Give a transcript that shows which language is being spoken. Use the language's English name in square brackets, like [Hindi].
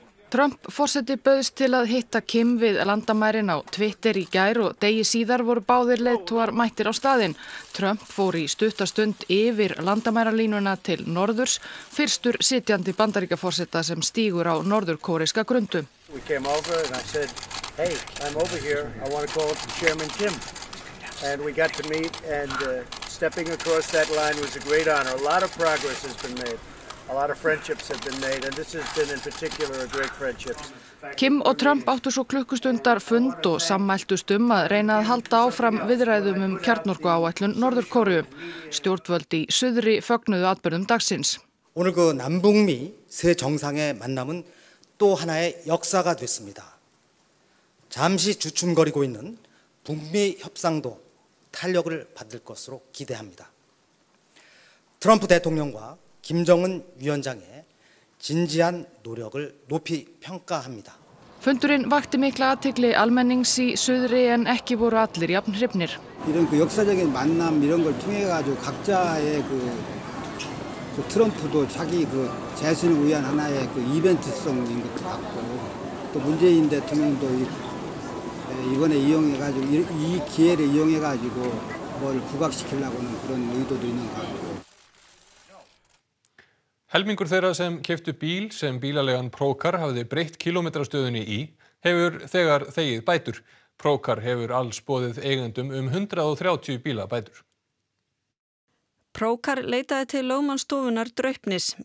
[Icelandic] Trump forseti bauðst til að hitta Kim við landamærin á Twitter í gær og degi síðar voru báðir leiðtogar mættir á staðinn. Trump fór í stutta stund yfir landamæralínuna til norðurs, fyrstur sitjandi Bandaríkjaforseta sem stígur á norður-kóreska grundu. [English] We came over and I said, hey, I'm over here, I want to call up Chairman Kim. And we got to meet and stepping across that line was a great honor. A lot of progress has been made. A lot of friendships have been made and this has been in particular a great friendship. [Icelandic] Kim og Trump áttu svo klukkustundar fund og sammæltust að reyna að halda áfram viðræðum kjarnorku áætlun Norður-Kóreu. Stjórnvöld í suðri fögnuðu atburðum dagsins. [Korean] 오늘 그 남북미 새 정상의 만남은 또 하나의 역사가 됐습니다. 잠시 주춤거리고 있는 북미 협상도 탄력을 받을 것으로 기대합니다. 트럼프 대통령과 김정은 위원장의 진지한 노력을 높이 평가합니다. [Icelandic] Fundurinn vakti mikla athygli almennings í suðri en ekki voru allir jafn hrifnir. [Korean] 이런 그 역사적인 만남 이런 걸 통해 가지고 각자의 그 트럼프도 자기 그 재선을 위한 하나의 그 이벤트성인 것 같고 또 문재인 대통령도 이번에 이용해가지고 이 기회를 이용해가지고 뭘 부각시키려고는 그런 의도도 있는 것 같고. [Icelandic] 헬mingur þeirra sem keyptu bíl sem bílalegan Procar hafði breytt kilometrastöðunni í hefur þegar þegið bætur. Procar hefur alls boðið eigendum 130 bíla bætur. Procar leitaði til lögmannsstofunar Draupnis.